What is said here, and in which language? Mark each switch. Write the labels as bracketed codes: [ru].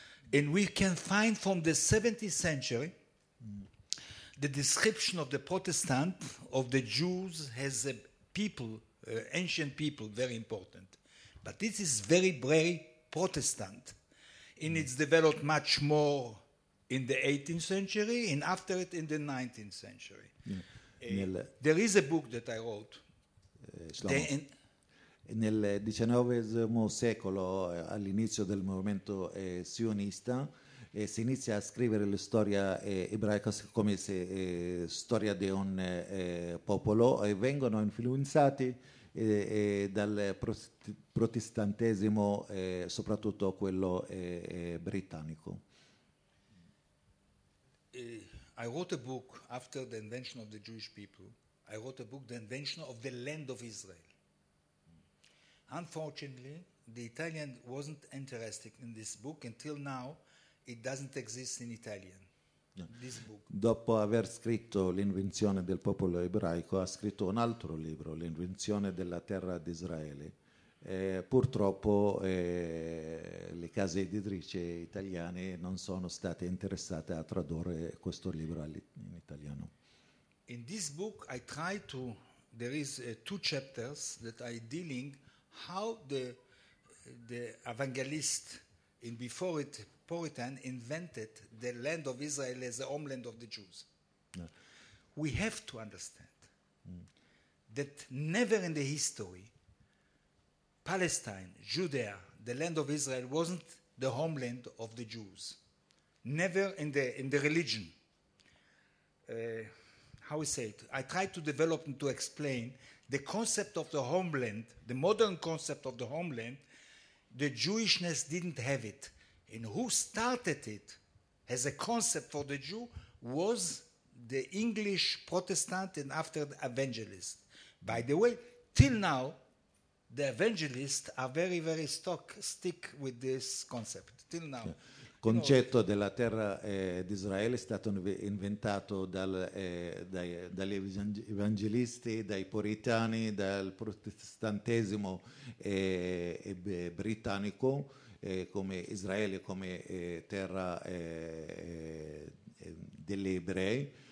[en] And we can find from the 17th century the description of the Protestant of the Jews as a people, ancient people, very important. But this is very, very Protestant. And it's developed much more in the 18th century and after it in the 19th century. Yeah. There is a book that I wrote. Shlomo. [it] nel XIX secolo, all'inizio del movimento sionista, si inizia a scrivere la storia ebraica come se storia di un popolo, e vengono influenzati dal protestantesimo, soprattutto quello britannico. [en] I wrote a book after the invention of the Jewish people. I wrote a book, The Invention of the Land of Israel. Unfortunately, the Italian wasn't interested in this book until now. It doesn't exist in Italian. This book. [it] Dopo aver scritto L'invenzione del popolo ebraico, ha scritto un altro libro, L'invenzione della terra di Israele. Purtroppo le case editrici italiane non sono state interessate a tradurre questo libro in italiano. [en] In this book I try to, there is two chapters that I dealing how the evangelist in before it Puritan invented the land of Israel as the homeland of the Jews. We have to understand that never in the history Palestine, Judea, the land of Israel wasn't the homeland of the Jews. Never in the religion. How we say it? I try to develop and to explain the concept of the homeland, the modern concept of the homeland. The Jewishness didn't have it. And who started it as a concept for the Jew was the English Protestant and after the evangelist. By the way, till now, the evangelists are very, very stick with this concept. Till now. Yeah. [it] Concetto della terra di Israele è stato inventato dagli evangelisti, dai puritani, dal protestantesimo britannico, come Israele, come terra degli ebrei.